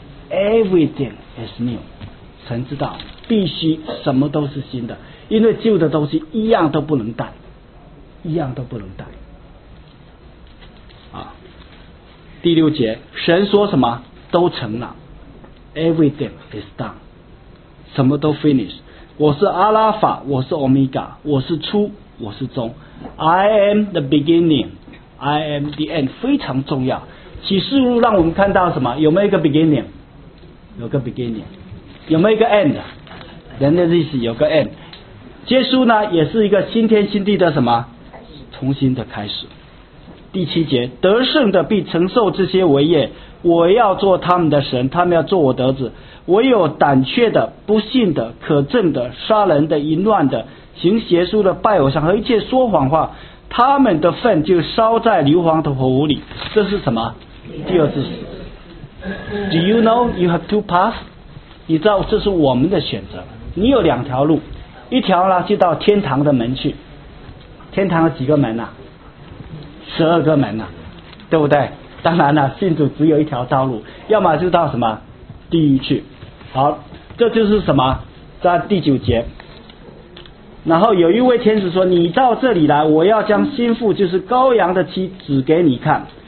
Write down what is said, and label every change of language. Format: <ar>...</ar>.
<en>Everything is new，</en> <zh>神知道必须什么都是新的，因为旧的东西一样都不能带，一样都不能带啊。第六节，神说什么都成了，</zh> <en>Everything is done，</en> <zh>什么都 finish。我是阿拉法，我是 Omega， 我是初，我是终。</zh> <en>I am the beginning， I am the end，</en> <zh>非常重要。启示录让我们看到什么？有没有一个 beginning？ 有个 beginning。有没有一个 end？人的历史有个 end。耶稣呢也是一个新天新地的什么？重新的开始。第七节，得胜的必承受这些为业，我要做他们的神，他们要做我的儿子。唯有胆怯的、不信的、可憎的、杀人的、淫乱的、行邪术的、拜偶像和一切说谎话，他们的份就烧在硫磺的火炉里。这是什么？第二次死。</zh> <en>Do you know you have two paths？</en> <zh>你知道这是我们的选择。你有两条路，一条呢就到天堂的门去。天堂有几个门啊？十二个门啊，对不对？当然了，信主只有一条道路，要么就到什么地狱去。好，这就是什么，在第九节，然后有一位天使说：“你到这里来，我要将心腹，就是羔羊的妻，指给你看。</zh>